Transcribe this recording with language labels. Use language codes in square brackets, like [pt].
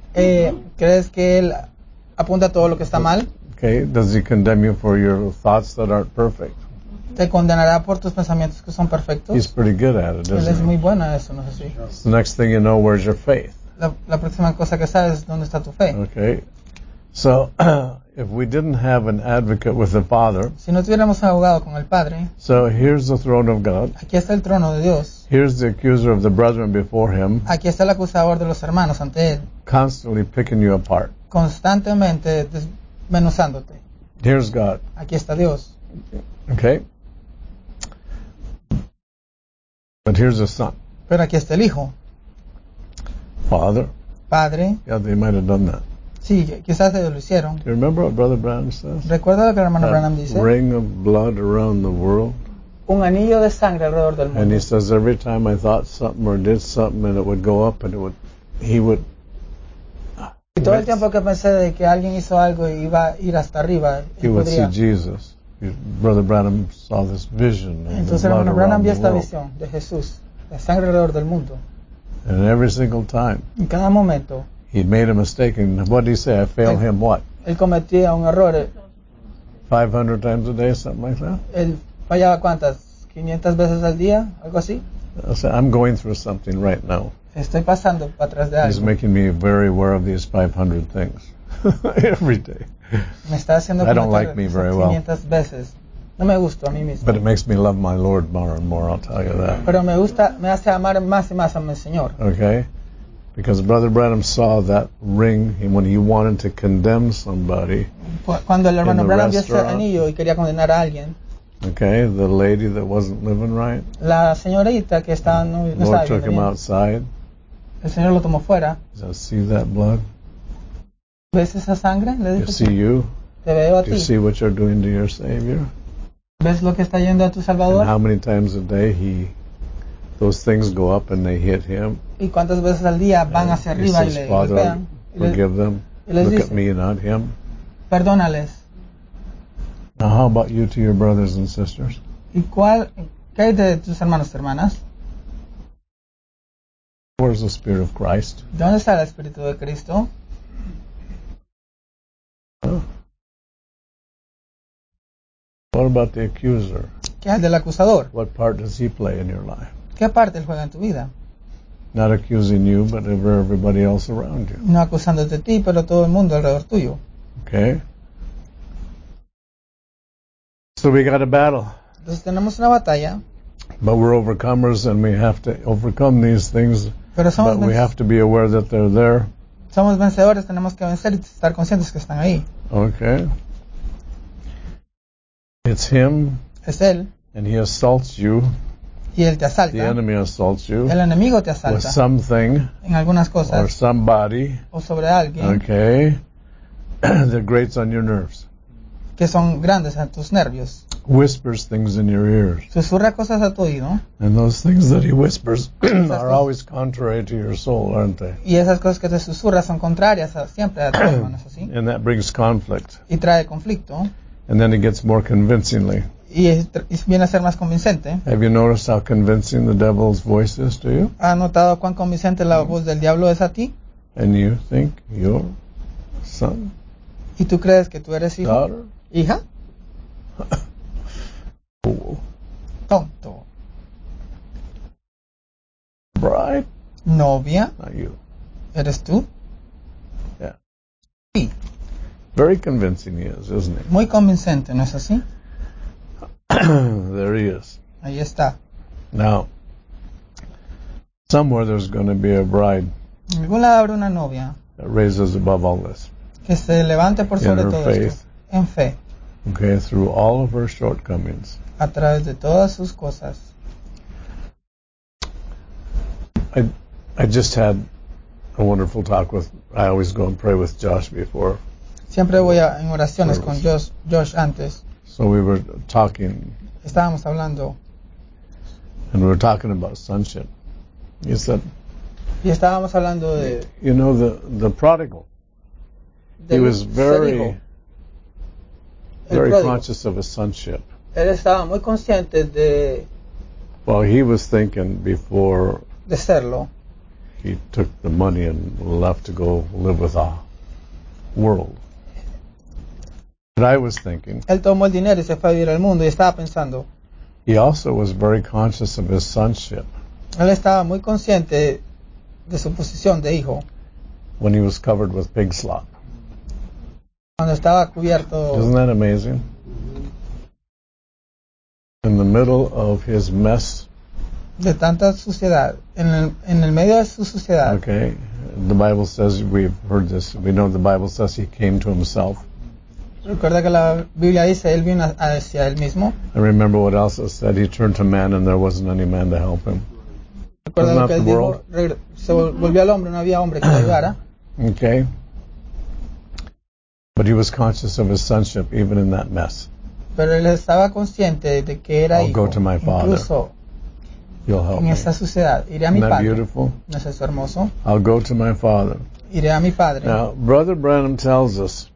[es] ¿Crees que él apunta todo lo que está mal? [en] Okay, does he condemn you for your thoughts that aren't perfect? [es] ¿Te condenará por tus pensamientos que son perfectos? [en] He's pretty good at it, isn't [es] él es [en] he? [es] Muy bueno a eso, no sé si. [en] So next thing you know, where's your faith? [es] La próxima cosa que sabes es dónde está tu fe. [en] Okay. So, if we didn't have an advocate with the Father, [es] si no tuviéramos un abogado con el Padre, [en] so here's the throne of God. [es] Aquí está el trono de Dios. [en] Here's the accuser of the brethren before him. [es] Aquí está el acusador de los hermanos ante él. [en] Constantly picking you apart. [es] Constantemente desmenuzándote. [en] Here's God. [es] Aquí está Dios. [en] Okay. But here's the Son. [es] Pero aquí está el Hijo. [en] Father. [es] padre. [en] Yeah, they might have done that. [es] Sí, quizás lo hicieron. [en] You remember what Brother Branham says? [es] ¿Recuerda lo que el hermano Branham dice? [en] Ring of blood around the world. [es] Un anillo de sangre alrededor del mundo. [en] And he says every time I thought something or did something and it would go up and it would, he would. [es] Y todo el tiempo que pensé de que alguien hizo algo y iba a ir hasta arriba, [en] he would see Jesus. Brother Branham saw this vision. [es] Entonces, hermano Branham vio esta visión de Jesús, la sangre alrededor del mundo. [en] And every single time, [es] en cada momento, [en] he made a mistake. And what did he say? I failed him. What? [es] Él cometía un error. [en] 500 times a day, something like that. [es] Él fallaba cuántas? 500 veces al día, algo así. [en] So I'm going through something right now. [es] Estoy pasando para atrás de algo. [en] He's making me very aware of these 500 things every day. [es] Me está haciendo [en] I don't like me very well. [es] Veces. No me gusto a mí mismo. [en] But it makes me love my Lord more and more, I'll tell you that. [es] Pero me gusta, me hace amar más y más a mi Señor. [en] Okay? Because Brother Branham saw that ring and when he wanted to condemn somebody. [es] Cuando el hermano Branham vio ese anillo y quería condenar a alguien. [en] Okay, the lady that wasn't living right. [es] La señorita que estaba no estaba bien. [en] Took him outside. [es] El señor lo tomó fuera. [en] So see that blood. [es] ¿Ves esa sangre? Le dijo. [en] See you. [es] Te veo a ti. [en] Do you see what you're doing to your Savior? [es] ¿Ves lo que está yendo a tu Salvador? [en] And how many times a day he, those things go up and they hit him. [es] ¿Y cuántas veces al día van hacia arriba y le pegan? [en] Father, forgive them. Look at me, not him. [es] Perdónales. [en] Now, how about you to your brothers and sisters? [es] ¿Y cuál, qué hay de tus hermanos y hermanas? [en] Where's the Spirit of Christ? [es] ¿Dónde está el Espíritu de Cristo? [en] Huh. What about the accuser? [es] ¿Qué hay del acusador? [en] What part does he play in your life? [es] ¿Qué parte él juega en tu vida? [en] Not accusing you, but everybody else around you. [es] No acusándote de ti, pero todo el mundo alrededor tuyo. [en] Okay. So we got a battle. [es] Entonces tenemos una batalla. [en] But we're overcomers and we have to overcome these things. [es] Pero somos [en] but we have to be aware that they're there. [es] Somos vencedores, tenemos que vencer y estar conscientes que están ahí. [en] Okay. It's him. [es] Es él. [en] And he assaults you. [es] Y él te asalta. [en] The enemy assaults you. [es] El enemigo te asalta. [en] With something. [es] En algunas cosas. [en] Or somebody. [es] O sobre alguien. [en] Okay. That grates on your nerves. [es] Que son grandes en tus nervios. [en] Whispers things in your ears. [es] Susurra cosas a tu oído. [en] And those things that he whispers are always contrary to your soul, aren't they? [es] Y esas cosas que te susurra son contrarias siempre a tu alma, ¿no es así? [en] And that brings conflict. [es] Y trae conflicto. [en] And then it gets more convincingly. [es] Y viene a ser más convincente. [en] Have you noticed how convincing the devil's voice is to you? [es] ¿Has notado cuán convincente la voz del diablo es a ti? [en] And you think you're son. [es] ¿Y tú crees que tú eres hijo? [en] Daughter? [es] ¿Hija? [en] Fool. [es] Tonto. [en] Bride? [es] Novia? [en] Not you. [es] ¿Eres tú? [en] Yeah. [es] Sí. [en] Very convincing he is, isn't he? [es] Muy convincente, ¿no es así? [en] There he is. [es] Ahí está. [en] Now, somewhere there's going to be a bride. [es] En algún lado habrá una novia. [en] That raises above all this. [es] Que se levante por sobre todo [en] faith. [es] Esto. En fe. [en] Okay, through all of her shortcomings. [es] A través de todas sus cosas. [en] I just had a wonderful talk with. I always go and pray with Josh before. [es] Siempre voy a en oraciones con Josh antes. [en] So we were talking. [es] Estábamos hablando. [en] And we were talking about sonship. He said. [es] Y estábamos hablando de. [en] You know the prodigal. He was very. Very conscious of his sonship. [es] Él estaba muy consciente de. [en] Well, he was thinking before. [es] De serlo. [en] He took the money and left to go live with the world. But I was thinking. [es] Él tomó el dinero y se fue a vivir al mundo y estaba pensando. [en] He also was very conscious of his sonship. [es] Él estaba muy consciente de su posición de hijo. [en] When he was covered with pig slop. [es] Cuando estaba cubierto. [en] Isn't that amazing? In the middle of his mess. [es] De tanta suciedad, en el medio de su suciedad. [en] Okay, the Bible says we've heard this. We know the Bible says he came to himself. [es] Recuerda que la Biblia dice él vino hacia él mismo. [en] I remember what else it said. He turned to man, and there wasn't any man to help him. [es] Recuerda lo que él dijo, se volvió al hombre, no había hombre que lo ayudara. [en] Okay. But he was conscious of his sonship even in that mess. [es] Pero él estaba consciente de que era [en] I'll [es] hijo. [en] Go to my father. [es] Incluso [en] you'll help [es] en esa suciedad, iré a [en] Isn't [es] mi padre. [en] Beautiful? [es] ¿No es eso hermoso? [en] I'll go to my father. [es] Iré a mi padre. [en] Now, Brother Branham tells us